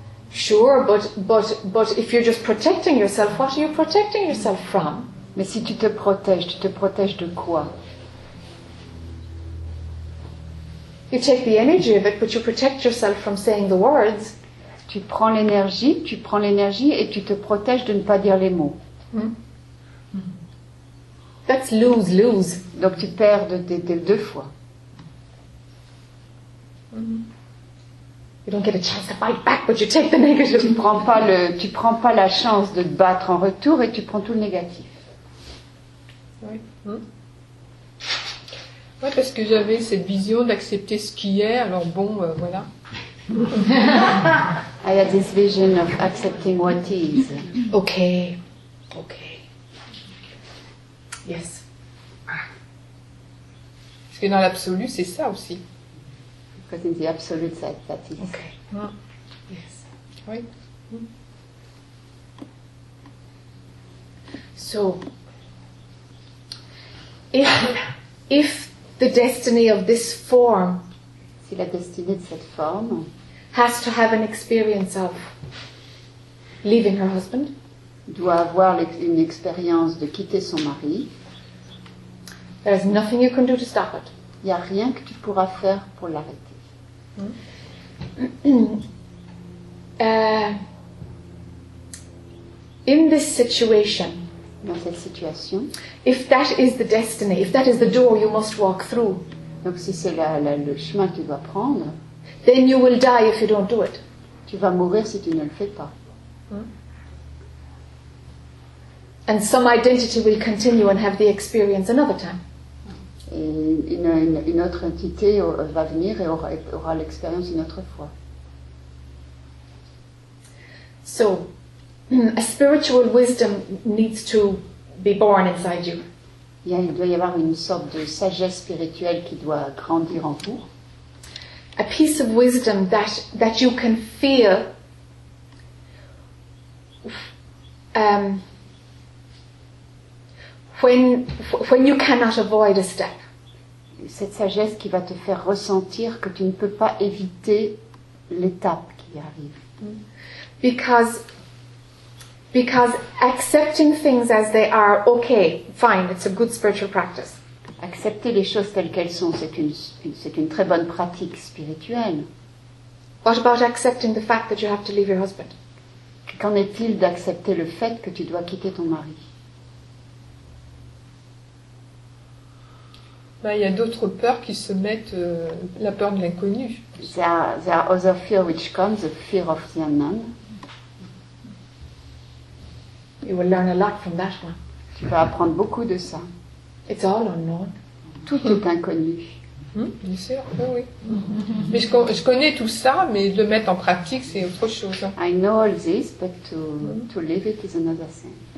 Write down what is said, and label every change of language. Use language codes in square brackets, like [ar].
[en] Sure, but if you're just protecting yourself, what are you protecting yourself from? [fr] Mais si tu te protèges de quoi? [en] You take the energy of it, but you protect yourself from saying the words. [fr] Tu prends l'énergie et tu te protèges de ne pas dire les mots. [en] That's lose-lose. [fr] Donc tu perds de deux fois. [en] You don't get a chance to fight back, but you take the negative. [fr] Tu prends pas la chance de te battre en retour et tu prends tout le négatif. Oui. Oui, parce que j'avais cette vision d'accepter ce qui est, alors bon, voilà. [en] I had this vision of accepting what is. Okay. Yes. [fr] Parce que dans l'absolu, c'est ça aussi. [en] Because in the absolute side, that is. Okay. Yes. [fr] Oui. [en] So, if the destiny of this form, [fr] si la destinée de cette forme, [en] has to have an experience of leaving her husband, [fr] doit avoir une expérience de quitter son mari, [en] there is nothing you can do to stop it. [fr] Il n'y a rien que tu pourras faire pour l'arrêter. [en] In this situation, [fr] dans cette situation, [en] if that is the destiny, if that is the door you must walk through, [fr] donc si c'est le chemin que tu dois prendre, [en] then you will die if you don't do it. [fr] Tu vas mourir si tu ne le fais pas. [en] And some identity will continue and have the experience another time. [fr] Une autre entité va venir et aura l'expérience une autre fois. [en] So, a spiritual wisdom needs to be born inside you. [fr] Il doit y avoir une sorte de sagesse spirituelle qui doit grandir en vous. [en] A piece of wisdom that you can feel. When you cannot avoid a step. [fr] Cette sagesse qui va te faire ressentir que tu ne peux pas éviter l'étape qui arrive. [en] Because accepting things as they are, okay, fine, it's a good spiritual practice. [fr] Accepter les choses telles qu'elles sont, c'est une très bonne pratique spirituelle. [en] What about accepting the fact that you have to leave your husband? [fr] Qu'en est-il d'accepter le fait que tu dois quitter ton mari? Il y a d'autres peurs qui se mettent, la peur de l'inconnu. [en] There are other fears which come, the fear of the unknown. You will learn a lot from that one. [fr] Tu vas apprendre beaucoup de ça. [en] It's all unknown. [fr] Tout est inconnu. Bien sûr, oui. Mais je connais tout ça, mais de le mettre en pratique, c'est autre chose. [en] I know all this, but to live it is another thing.